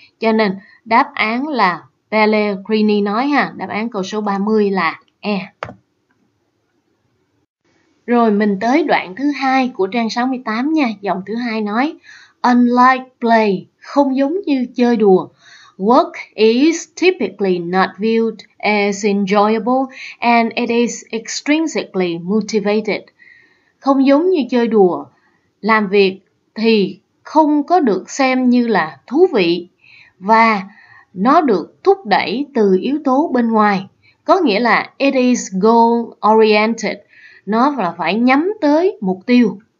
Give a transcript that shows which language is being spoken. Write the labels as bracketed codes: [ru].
[vi] Cho nên đáp án là Pellegrini nói ha, đáp án câu số 30 là E. Rồi mình tới đoạn thứ hai của trang 68 nha. Dòng thứ hai nói, [en] unlike play, [vi] không giống như chơi đùa, [en] Work is typically not viewed as enjoyable and it is extrinsically motivated. [vi] Không giống như chơi đùa, làm việc thì không có được xem như là thú vị và nó được thúc đẩy từ yếu tố bên ngoài. Có nghĩa là [en] it is goal-oriented, [vi] nó là phải nhắm tới mục tiêu.